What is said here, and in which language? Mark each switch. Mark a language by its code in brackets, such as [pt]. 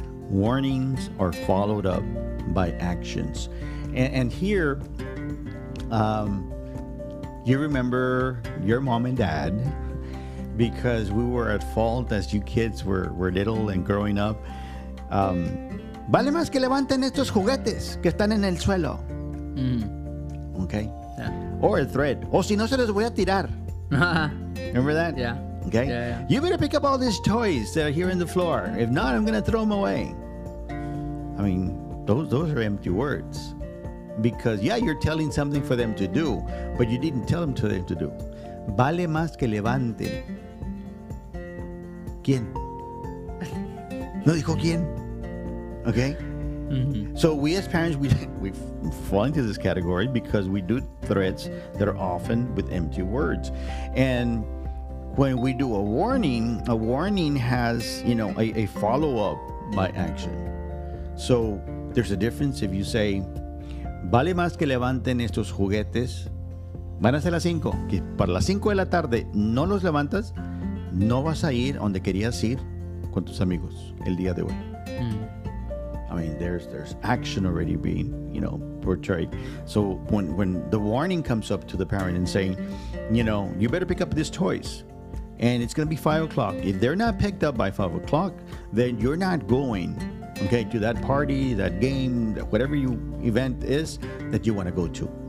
[en] Warnings are followed up by actions. And here, you remember your mom and dad, because we were at fault as you kids were little and growing up. [es] Vale más que levanten estos juguetes que están en el suelo. Mm. [en] Okay. Yeah. Or a thread. [es] Oh, si no se los voy a tirar. [en] Remember that? Yeah. Okay. Yeah, yeah. You better pick up all these toys that are here on the floor. If not, I'm going to throw them away. I mean, those are empty words. Because, yeah, you're telling something for them to do, but you didn't tell them to do. [es] Vale más que levante. ¿Quién? No dijo quién. [en] Okay? Mm-hmm. So we as parents, we fall into this category because we do threats that are often with empty words. And when we do a warning has, you know, a follow-up by action. So there's a difference if you say, [es] vale más que levanten estos juguetes. Van a ser las 5. Que para las 5 de la tarde no los levantas, no vas a ir donde querías ir con tus amigos el día de hoy. [en] Mm. I mean, there's action already being, you know, portrayed. So when the warning comes up to the parent and saying, you know, you better pick up these toys. And it's going to be 5 o'clock. If they're not picked up by 5 o'clock, then you're not going, okay, to that party, that game, whatever you event is that you want to go to.